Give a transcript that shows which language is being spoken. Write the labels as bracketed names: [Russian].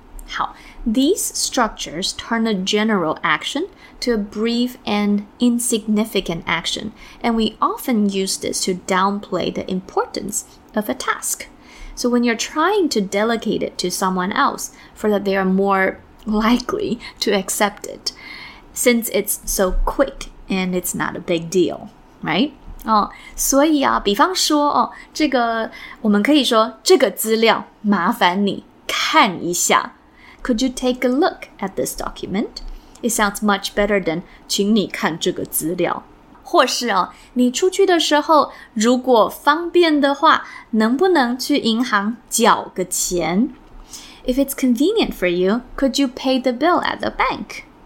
[English] 好， these structures turn a general action to a brief and insignificant action, and we often use this to downplay the importance of a task. So when you're trying to delegate it to someone else, for that they are more likely to accept it, since it's so quick and it's not a big deal, right? [Chinese] 哦，所以啊，比方说哦，这个我们可以说这个资料麻烦你看一下。 [English] Could you take a look at this document? It sounds much better than [Chinese] 请你看这个资料。或是哦，你出去的时候，如果方便的话，能不能去银行缴个钱？ [English] If it's convenient for you, could you pay the bill at the bank?